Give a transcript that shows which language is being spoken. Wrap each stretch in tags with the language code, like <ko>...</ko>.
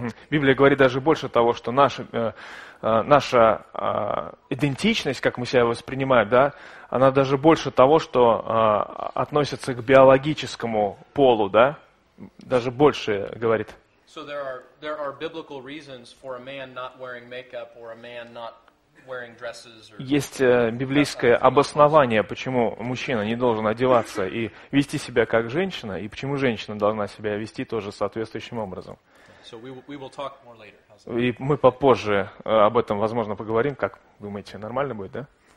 <ru>Библия говорит даже больше того, что наша идентичность, как мы себя воспринимаем, да, она даже больше того, что относится к биологическому полу, да, даже больше говорит.</ru> <en>So there are biblical reasons for a man not wearing makeup or a man not wearing dresses or...</en> <ru>Есть библейское обоснование, почему мужчина не должен одеваться и вести себя как женщина, и почему женщина должна себя вести тоже соответствующим образом.</ru> <en>So we will talk more later.</en> <ru>И мы попозже об этом, возможно, поговорим. Как думаете, нормально будет, да?</ru>